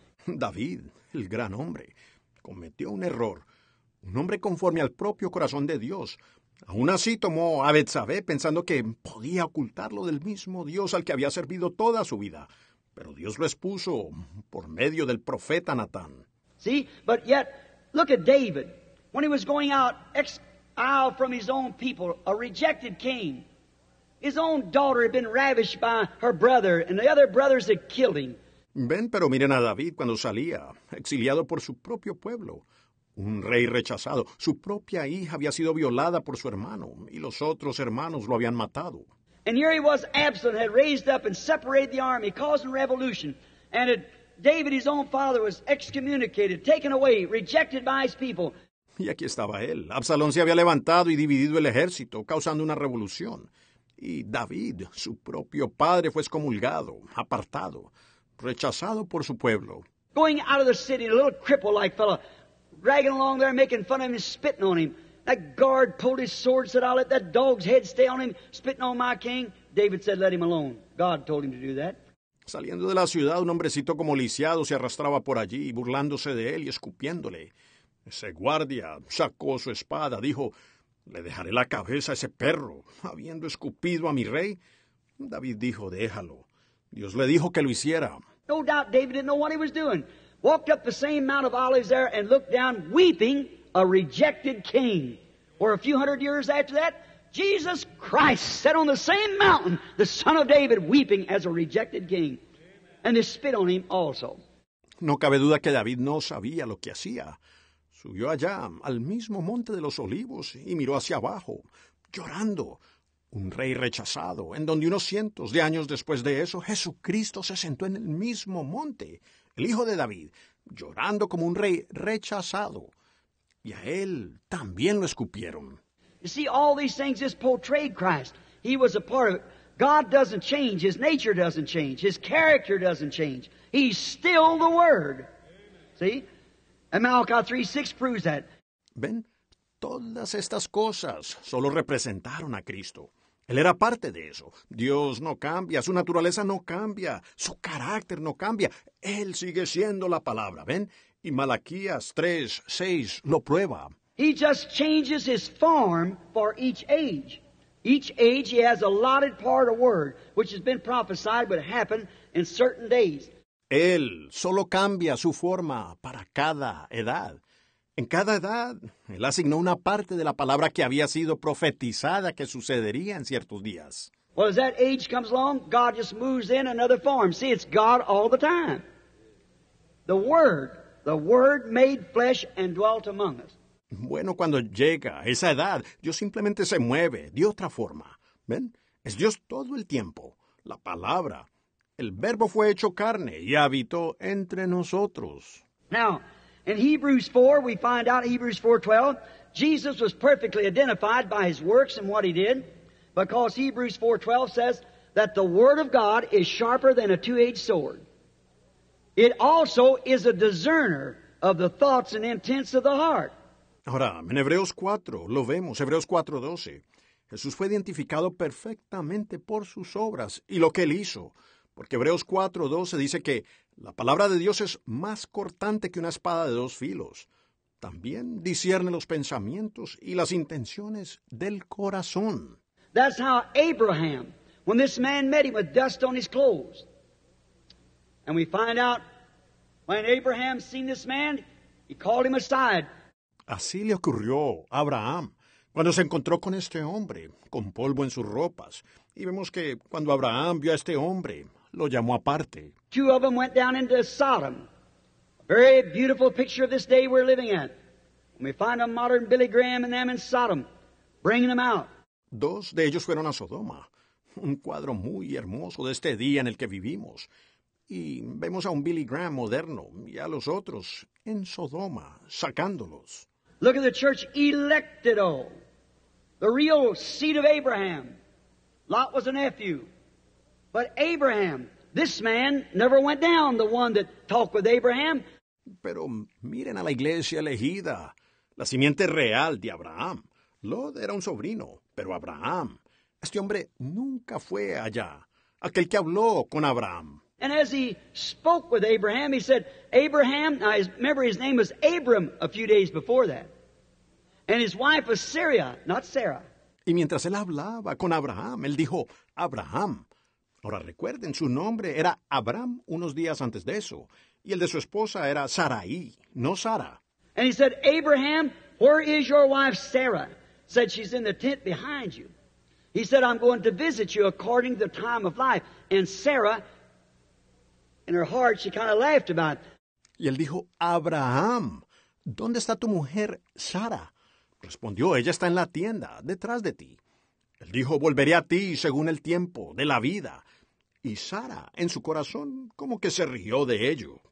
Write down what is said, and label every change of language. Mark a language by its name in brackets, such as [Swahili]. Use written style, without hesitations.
[Spanish] David, el gran hombre, cometió un error. Un hombre conforme al propio corazón de Dios. Aún así tomó a Betsabé pensando que podía ocultarlo del mismo Dios al que había servido toda su vida. Pero Dios lo expuso por medio del profeta Natán. [English] See, but yet, look at David. When he was going out, exiled from his own people, a rejected king. His own daughter had been ravished by her brother, and the other brothers had killed him. [Spanish] Ven, pero miren a David cuando salía, exiliado por su propio pueblo. Un rey rechazado. Su propia hija había sido violada por su hermano, y los otros hermanos lo habían matado. [English] And here he was, Absalom had raised up and separated the army, causing revolution. And David, his own father, was excommunicated, taken away, rejected by his people. [Spanish] Y aquí estaba él. Absalón se había levantado y dividido el ejército, causando una revolución. Y David, su propio padre, fue excomulgado, apartado, rechazado por su pueblo. [English] Going out of the city, a little cripple-like fellow, dragging along there, making fun of him, spitting on him. That guard pulled his sword, said, I'll let that dog's head stay on him, spitting on my king. David said, let him alone. God told him to do that. [Spanish] Saliendo de la ciudad, un hombrecito como lisiado se arrastraba por allí, burlándose de él y escupiéndole. Ese guardia sacó su espada, dijo, le dejaré la cabeza a ese perro, habiendo escupido a mi rey. David dijo, déjalo. Dios le dijo que lo hiciera. [English] No doubt David didn't know what he was doing. Walked up the same Mount of Olives there and looked down, weeping, a rejected king. Or a few hundred years after that, Jesus Christ sat on the same mountain, the Son of David, weeping as a rejected king. And they spit on him also. [Spanish] No cabe duda que David no sabía lo que hacía. Subió allá, al mismo monte de los olivos, y miró hacia abajo, llorando. Un rey rechazado, en donde unos cientos de años después de eso, Jesucristo se sentó en el mismo monte, el Hijo de David, llorando como un rey rechazado. Y a él también lo escupieron. [English] You see, all these things just portrayed Christ. He was a part of it. God doesn't change. His nature doesn't change. His character doesn't change. He's still the Word. See? And Malachi 3:6 proves that. [Spanish] Ven, todas estas cosas solo representaron a Cristo. Él era parte de eso. Dios no cambia, su naturaleza no cambia, su carácter no cambia. Él sigue siendo la palabra, ¿ven? Y Malaquías 3:6 lo prueba. [English] He just changes his form for each age. Each age he has allotted part of word, which has been prophesied but happened in certain days. [Spanish] Él solo cambia su forma para cada edad. En cada edad, él asignó una parte de la palabra que había sido profetizada que sucedería en ciertos días. [English] Well, as that age comes along, God just moves in another form. See, it's God all the time. The Word made flesh and dwelt among us. [Spanish] Bueno, cuando llega esa edad, Dios simplemente se mueve de otra forma. ¿Ven? Es Dios todo el tiempo. La palabra, el verbo fue hecho carne y habitó entre nosotros. [English] Now, in Hebrews 4, we find out, Hebrews 4:12, Jesus was perfectly identified by his works and what he did, because Hebrews 4:12 says that the word of God is sharper than a two-edged sword. It also is a discerner of the thoughts and intents of the heart. [Spanish] Ahora, en Hebreos 4, lo vemos, Hebreos 4:12, Jesús fue identificado perfectamente por sus obras y lo que él hizo, porque Hebreos 4:12 dice que la palabra de Dios es más cortante que una espada de dos filos. También discierne los pensamientos y las intenciones del corazón. [English] That's how Abraham, when this man met him with dust on his clothes, and we find out when Abraham seen this man, he called him aside. [Spanish] Así le ocurrió a Abraham cuando se encontró con este hombre, con polvo en sus ropas. Y vemos que cuando Abraham vio a este hombre, lo llamó aparte. [English] Two of them went down into Sodom. A very beautiful picture of this day we're living at. And we find a modern Billy Graham and them in Sodom, bringing them out. [Spanish] Dos de ellos fueron a Sodoma. Un cuadro muy hermoso de este día en el que vivimos. Y vemos a un Billy Graham moderno y a los otros en Sodoma, sacándolos. [English] Look at the church elected all. The real seed of Abraham. Lot was a nephew. But Abraham, this man never went down, the one that talked with Abraham. [Spanish] Pero miren a la iglesia elegida, la simiente real de Abraham. Lot era un sobrino, pero Abraham, este hombre nunca fue allá, aquel que habló con Abraham. [English] And as he spoke with Abraham, he said, Abraham, now remember his name was Abram a few days before that. And his wife was Sarah, not Sarah. [Spanish] Y mientras él hablaba con Abraham, él dijo, Abraham. Ahora recuerden, su nombre era Abraham unos días antes de eso. Y el de su esposa era Sarai, no Sara. [English] And he said, Abraham, where is your wife Sarah? Said, she's in the tent behind you. He said, I'm going to visit you according to the time of life. And Sarah, in her heart, she kind of laughed about it. [Spanish] Y él dijo, Abraham, ¿dónde está tu mujer Sara? Respondió, ella está en la tienda, detrás de ti. Él dijo, volveré a ti según el tiempo de la vida. Y Sara, en su corazón, como que se rió de ello.